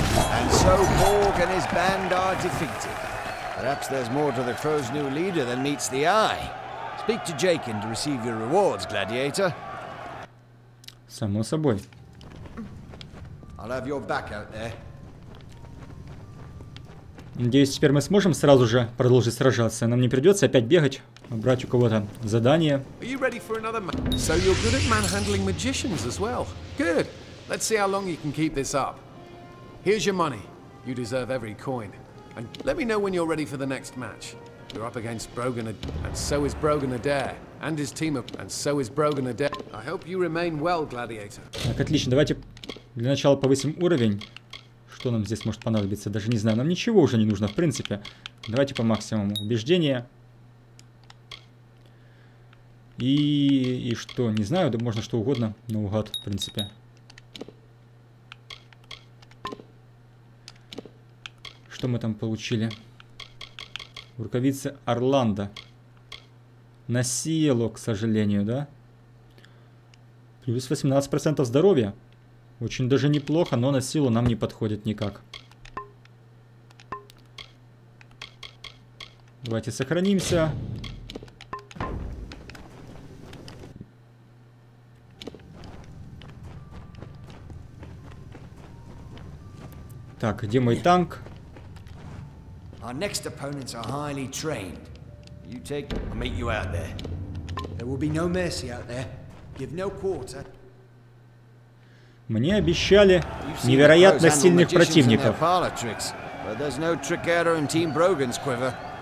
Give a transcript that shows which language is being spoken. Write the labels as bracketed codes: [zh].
[en] And so Borg and his band are defeated. Perhaps there's more to the Crow's new leader than meets the eye. Speak to Jakin to receive your rewards, gladiator. [ru] Само собой. [en] I'll have your back out there. [ru] Надеюсь, теперь мы сможем сразу же продолжить сражаться. Нам не придется опять бегать, брать у кого-то задание. [en] Are you ready for another match? So you're good at manhandling magicians as well. Good. Let's see how long you can keep this up. Here's your money. You deserve every coin. And let me know when you're ready for the next match. You're up against Brogan and so is Brogan Adair. And his team of, and so is Brogan Adair. I hope you remain well, gladiator. [ru] Так, отлично, давайте для начала повысим уровень. Что нам здесь может понадобиться, даже не знаю. Нам ничего уже не нужно, в принципе. Давайте по максимуму. Убеждение. И что, не знаю, да можно что угодно наугад, в принципе. Что мы там получили? Рукавицы Орландо. Насилу, к сожалению, да? Плюс 18% здоровья. Очень даже неплохо, но на силу нам не подходит никак. Давайте сохранимся. Так, где мой танк? [en] Our next opponents are highly trained. You take them. I'll meet you out there. There will be no mercy out there. Give no quarter. [ru] Мне обещали невероятно сильных противников. [en] But there's no trick error in Team Brogan's quiver.